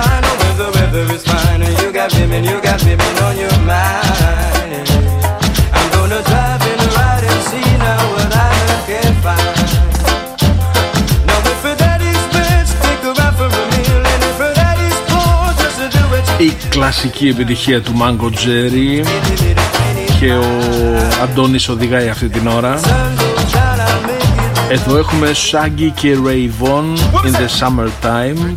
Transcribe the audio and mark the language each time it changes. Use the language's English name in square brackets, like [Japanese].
[English] And oh, when the weather is fine. And you got women on your mind. I'm gonna drive and ride and see now what I can find. Now if her daddy's rich, take her out for a meal. And if her daddy's poor, just to do what you [Greek] Η κλασική επιτυχία του Mango Jerry. Και ο Αντώνης οδηγάει αυτή την ώρα. Εδώ έχουμε Shaggy και Raven in the Summertime.